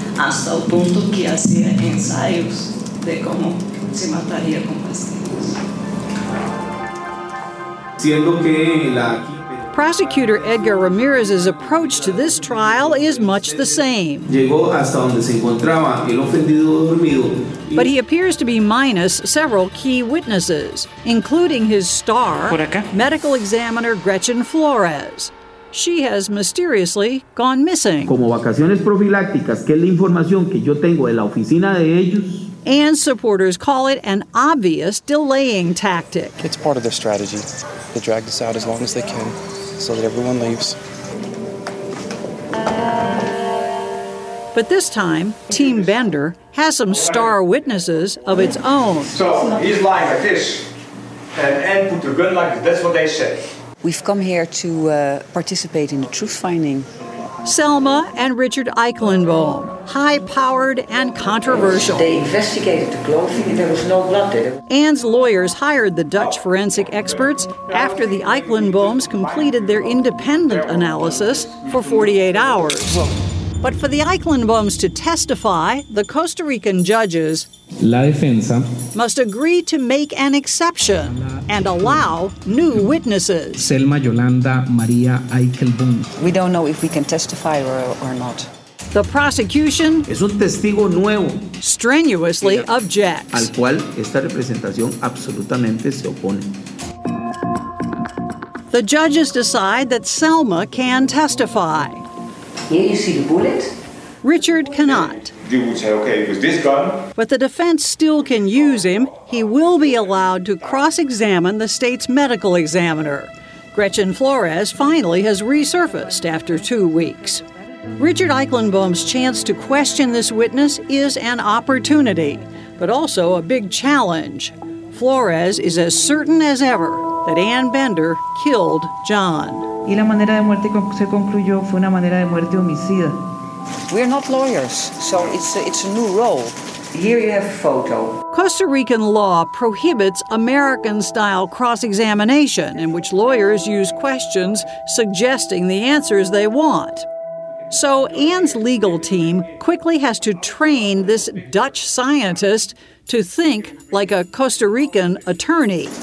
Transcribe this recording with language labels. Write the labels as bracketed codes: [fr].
[en] Prosecutor Edgar Ramirez's approach to this trial is much the same. But he appears to be minus several key witnesses, including his star, medical examiner Gretchen Flores. She has mysteriously gone missing. [es] Como vacaciones profilácticas, que es la información que yo tengo de la oficina de ellos. [en] And supporters call it an obvious delaying tactic. It's part of their strategy. They drag this out as long as they can so that everyone leaves. But this time, Team Bender has some star witnesses of its own. So he's lying like this. And Anne put the gun like this. That's what they said. We've come here to participate in the truth-finding. Selma and Richard Eichlenbaum, high-powered and controversial. They investigated the clothing and there was no blood there. Anne's lawyers hired the Dutch forensic experts after the Eichlenbaums completed their independent analysis for 48 hours. But for the Eichlenbaums to testify, the Costa Rican judges must agree to make an exception and allow new witnesses. Selma Yolanda Maria Eichelbaum. We don't know if we can testify or not. The prosecution [es] es un testigo nuevo. [en] Strenuously objects. [es] Al cual esta representación absolutamente se opone. [en] The judges decide that Selma can testify. Here you see the bullet. Richard cannot. You would say, okay, it was this gun. But the defense still can use him. He will be allowed to cross-examine the state's medical examiner. Gretchen Flores finally has resurfaced after 2 weeks. Richard Eichlenbaum's chance to question this witness is an opportunity, but also a big challenge. Flores is as certain as ever that Anne Bender killed John. [es] Y la manera de muerte se concluyó fue una manera de muerte homicida. [en] We're not lawyers, so it's a new role. Here you have a photo. Costa Rican law prohibits American-style cross-examination in which lawyers use questions suggesting the answers they want. So Anne's legal team quickly has to train this Dutch scientist to think like a Costa Rican attorney.